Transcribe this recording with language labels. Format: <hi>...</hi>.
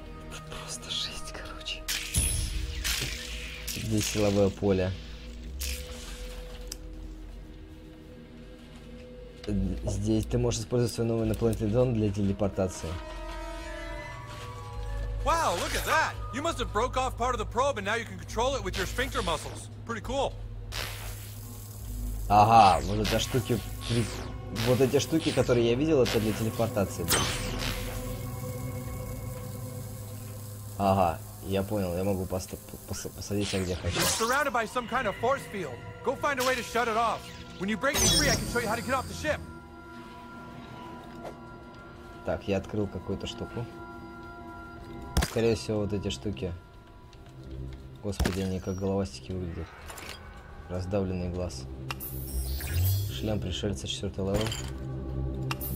<ru>Это просто жесть, короче. Где силовое поле? Здесь ты можешь использовать свой новый инопланетный дрон для телепортации.</ru> <en>Wow, look at that! You must have broke off part of the probe and now you can control it with your sphincter muscles. Pretty cool.</en> <ru>Ага, вот эти штуки. Вот эти штуки, которые я видел, это для телепортации. Ага, я понял, я могу посадиться где хочу.</ru> <en>You're surrounded by some kind of force field. Go find a way to shut it off. When you break me free, I can show you how to get off the ship.</en> <ru>Так, я открыл какую-то штуку. Скорее всего, вот эти штуки. Господи, они как головастики выглядят. Раздавленный глаз. Шлем пришельца 4-й левел.</ru>